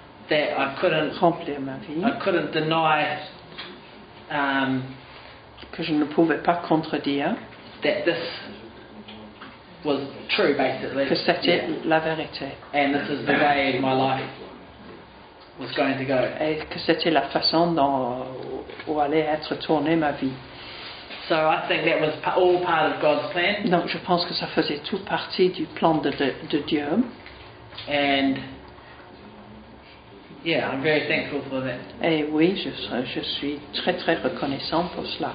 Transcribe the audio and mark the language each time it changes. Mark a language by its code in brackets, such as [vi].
[en] that I couldn't [fr] remplir ma vie, [en] I couldn't deny, [fr] que je ne pouvais pas contredire, [en] that this was true basically, [fr] que c'était yeah. la vérité, [en] and this is the way in my life. Was going to go. [fr] Et que c'était la façon dont où allait être tournée ma vie. [en] So I think that was all part of God's plan. [fr] Donc je pense que ça faisait tout partie du plan de Dieu. [en] And yeah, I'm very thankful for that. [fr] Et oui, je suis très très reconnaissant pour cela.